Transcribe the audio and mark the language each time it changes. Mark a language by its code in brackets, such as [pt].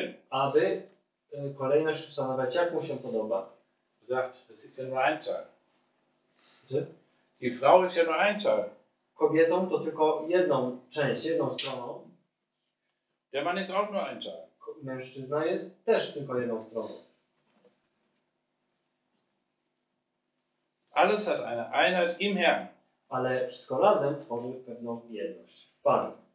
[pl] Aby kolejność ustanawiać, jak mu się podoba. [de] Sagt, es ist ja nur ein Teil. [pl] Czy? [de] Die Frau ist ja nur ein Teil. [pl] Kobietą to tylko jedną część, jedną stroną. [de] Der Mann ist auch nur ein Teil. [pl] Mężczyzna jest też tylko jedną stroną. [de] Alles hat eine Einheit im Herrn. [pl] Ale wszystko razem tworzy pewną jedność w Panu.